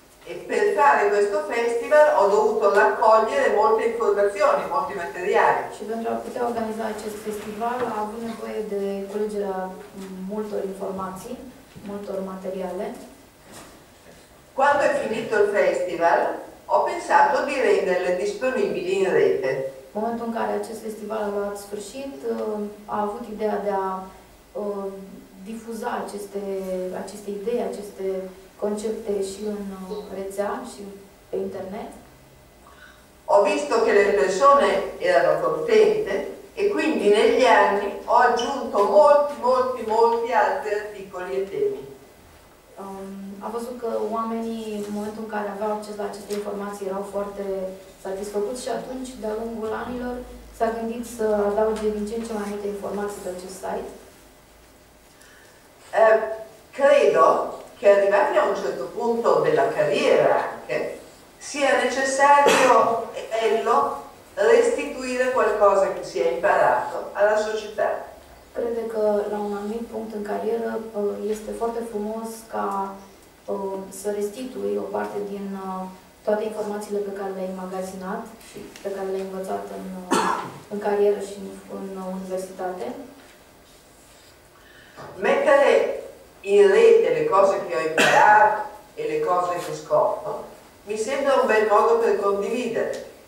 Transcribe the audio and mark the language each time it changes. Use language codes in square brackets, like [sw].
[it] E per fare questo festival ho dovuto raccogliere molte informazioni, molti materiali. [ro] Și pentru a putea organiza acest festival a avut nevoie de culegerea multor informații, multor materiale. [it] Quando è finito il festival, ho pensato di renderle disponibili in rete. [ro] În momentul în care acest festival a luat sfârșit, a avut ideea de a difuza aceste idei, aceste concepte și în rețea și pe internet. [it] Ho visto che le persone erano contente e quindi negli anni ho aggiunto molti, molti, molti altri articoli e temi. [ro] A văzut că oamenii, în momentul în care aveau acces la aceste informații, erau foarte satisfăcuți și atunci, de-a lungul anilor, s-a gândit să adauge din ce în ce mai multe informații pe acest site. [it] Credo che arrivati a un certo punto della carriera anche, sia necessario bello restituire qualcosa che si è imparato alla società. [ro] Crede că la un anumit punct în carieră este foarte frumos ca să restitui o parte din toate informațiile pe care le-ai magazinat și pe care le-ai învățat în carieră și în universitate. [it] Mettere in rete le cose che ho imparato e le cose che scopro mi sembra un bel modo per condividere.